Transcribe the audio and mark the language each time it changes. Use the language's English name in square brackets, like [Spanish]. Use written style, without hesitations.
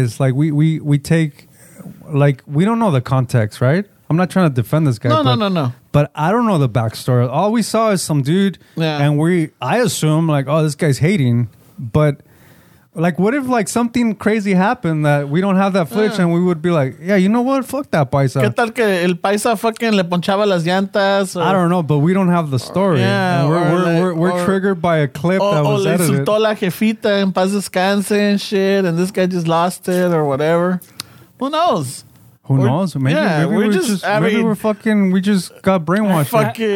[English] It's like we take, like, we don't know the context, right? I'm not trying to defend this guy. No. But I don't know the backstory. All we saw is some dude, yeah. And I assume, like, oh, this guy's hating. But, like, what if, like, something crazy happened that we don't have that footage, yeah. And we would be like, yeah, you know what? Fuck that paisa. [Spanish] ¿Qué tal que el paisa fucking le ponchaba las llantas? [English] Or, I don't know, but we don't have the story. We're triggered by a clip that was edited. [Spanish] O le insultó la jefita en paz descanse [English] and shit, and this guy just lost it or whatever. Who knows? Maybe we just got brainwashed.